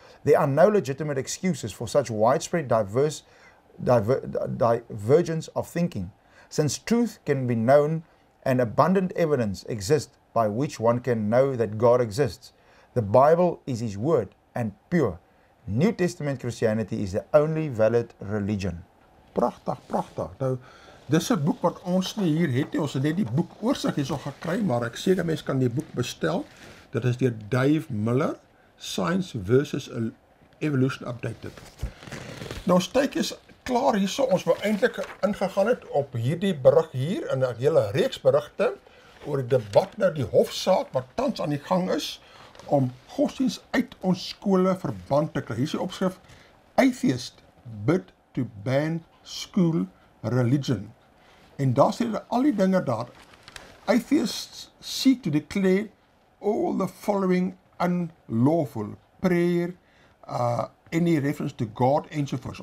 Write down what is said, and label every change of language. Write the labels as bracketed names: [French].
[English] There are no legitimate excuses for such widespread divergence of thinking. Since truth can be known and abundant evidence exists by which one can know that God exists, the Bible is his word and pure. New Testament Christianity is the only valid religion. [Afrikaans] Prachtig, prachtig. Nou, dit is een boek wat ons nie hier het. Ons het die boek oorsig hier so gekry, maar ek seker mense kan die boek bestel. Dit is deur Dave Miller, Science versus Evolution Updated. Nou, ons tyd is klaar hier so. Ons wou eintlik ingegaan het op hierdie berig hier en 'n hele reeks berigte oor die debat nou die hofsaak wat tans aan die gang is om godsdienst uit ons skole verband te kry. Hier is die opskrif: [English] Atheist bid to ban school religion. [Afrikaans] En daar sê hulle al die dinge daar. [English] Atheists seek to declare all the following unlawful: prayer, any reference to God and so forth.